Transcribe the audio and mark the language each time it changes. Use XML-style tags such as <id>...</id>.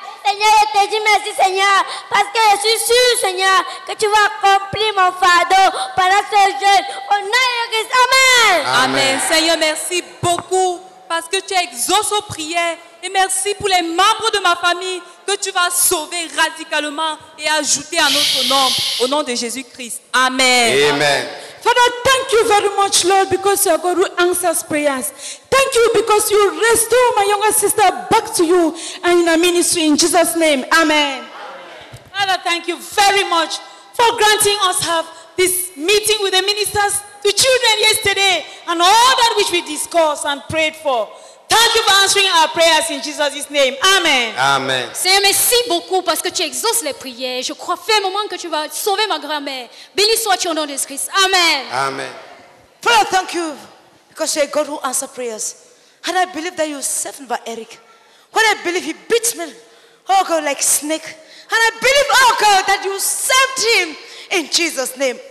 <fr>Seigneur, je te dis merci, Seigneur, parce que je suis sûr, Seigneur, que tu vas accomplir mon fardeau pendant ce jeûne. Au nom de Christ, amen. Amen. Seigneur, merci beaucoup parce que tu exauces aux prières. Et merci pour les membres de ma famille que tu vas sauver radicalement et ajouter à notre nombre. Au nom de Jésus-Christ. Amen. Amen. Amen.</fr> <en>Father, thank you very much, Lord, because you are God who answers prayers. Thank you because you restore my younger sister back to you and in her ministry in Jesus' name. Amen. Amen. Father, thank you very much for granting us have this meeting with the ministers, the children yesterday, and all that which we discussed and prayed for. Thank you for answering our prayers in Jesus' name. Amen. Amen.</en> <fr>Seigneur, merci beaucoup parce que tu exauces les prières. Je crois fermement que tu vas sauver ma grand-mère. Béni soit ton nom de Christ. Amen. Amen.</fr> <en>Father, thank you because you are God who answers prayers. And I believe that you are saved by Eric. When I believe he beats me, oh God, like a snake. And I believe, oh God, that you saved him in Jesus' name.</en>